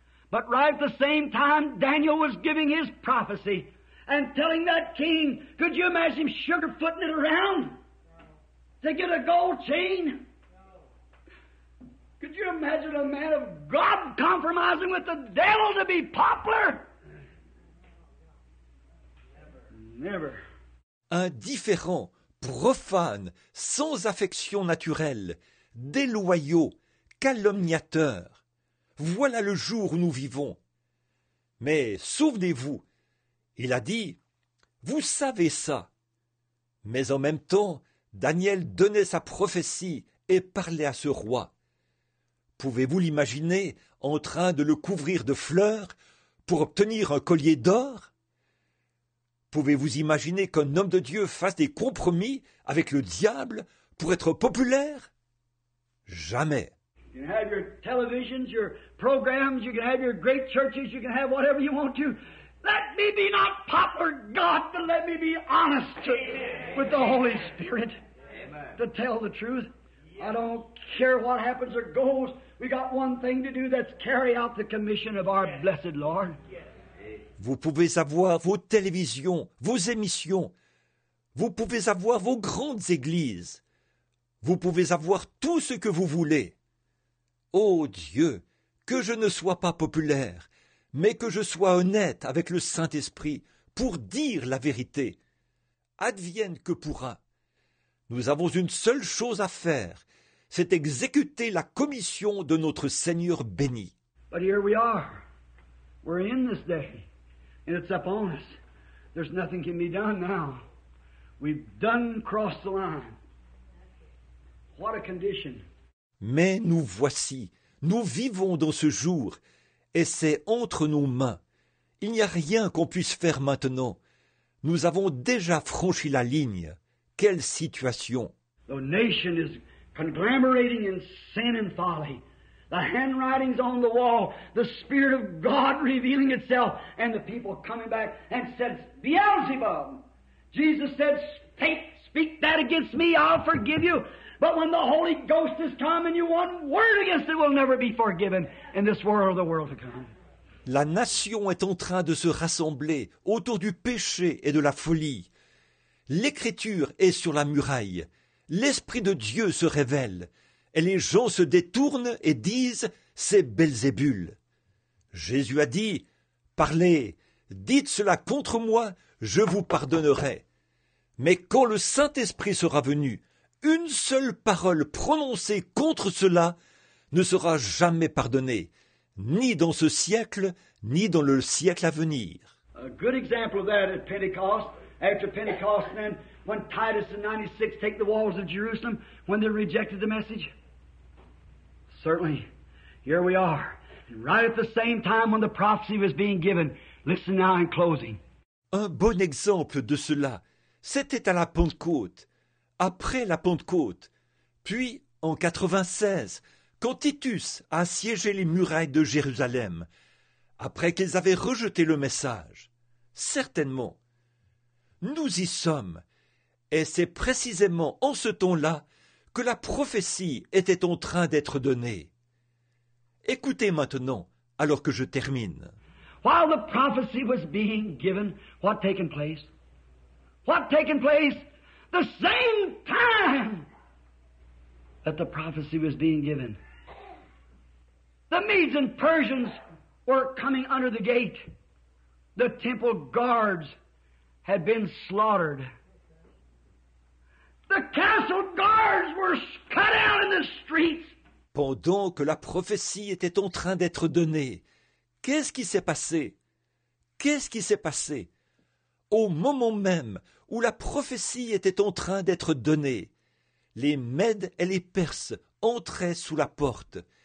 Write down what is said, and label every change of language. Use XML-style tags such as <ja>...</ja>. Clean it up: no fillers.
<en>But right at the same time, Daniel was giving his prophecy and telling that king, could you imagine him sugarfooting it around to get a gold chain? Could you imagine a man of God compromising with the devil to be popular? Never.</en> <fr>Indifférent, profane, sans affection naturelle, déloyaux, calomniateurs. Voilà le jour où nous vivons. Mais souvenez-vous, il a dit, vous savez ça. Mais en même temps, Daniel donnait sa prophétie et parlait à ce roi. Pouvez-vous l'imaginer en train de le couvrir de fleurs pour obtenir un collier d'or? Pouvez-vous imaginer qu'un homme de Dieu fasse des compromis avec le diable pour être populaire? Jamais.</fr> <en>You can have your televisions, your programs, you can have your great churches, you can have whatever you want to. Let me be not popular, God, but let me be honest with the Holy Spirit. Amen. To tell the truth. I don't care what happens or goes. We got one thing to do, that's carry out the commission of our blessed Lord.</en> <fr>Vous pouvez avoir vos télévisions, vos émissions. Vous pouvez avoir vos grandes églises. Vous pouvez avoir tout ce que vous voulez. Ô Dieu, que je ne sois pas populaire, mais que je sois honnête avec le Saint-Esprit pour dire la vérité. Advienne que pourra. Nous avons une seule chose à faire, c'est exécuter la commission de notre Seigneur béni.</fr> <en>But here we are. We're in this day. And it's upon us. There's nothing can be done now. We've done cross the line. What a condition.</en> <fr>Mais nous voici, nous vivons dans ce jour, et c'est entre nos mains. Il n'y a rien qu'on puisse faire maintenant. Nous avons déjà franchi la ligne. Quelle situation!</fr> <en>The nation is conglomerating in sin and folly. The handwriting's on the wall, the Spirit of God revealing itself, and the people coming back and said, Beelzebub! Jesus said, speak that against me, I'll forgive you. But when the Holy Ghost is come and you one word against it will never be forgiven in this world or the world to come.</en> <fr>La nation est en train de se rassembler autour du péché et de la folie. L'Écriture est sur la muraille. L'Esprit de Dieu se révèle. Et les gens se détournent et disent « C'est Belzébul ». Jésus a dit « Parlez, dites cela contre moi, je vous pardonnerai. » Mais quand le Saint-Esprit sera venu, une seule parole prononcée contre cela ne sera jamais pardonnée, ni dans ce siècle, ni dans le siècle à venir.</fr> <en>A good example of that at Pentecost, after Pentecost, then, when Titus in 96 take the walls of Jerusalem, when they rejected the message. Certainly, here we are. And right at the same time when the prophecy was being given, listen now in closing.</en> <fr>Un bon exemple de cela, c'était à la Pentecôte. Après la Pentecôte, puis en 96, quand Titus a assiégé les murailles de Jérusalem, après qu'ils avaient rejeté le message, certainement. Nous y sommes, et c'est précisément en ce temps-là que la prophétie était en train d'être donnée. Écoutez maintenant, alors que je termine.</fr> <en>While the prophecy was being given, what taken place? What taken place? The same time that the prophecy was being given. The Medes and Persians were coming under the gate. The temple guards had been slaughtered. The castle guards were cut out in the streets.</en> <fr>Pendant que la prophétie était en train d'être donnée, qu'est-ce qui s'est passé? Qu'est-ce qui s'est passé? Au moment même où la prophétie était en train d'être donnée, les Mèdes et les Perses entraient sous la porte.</fr>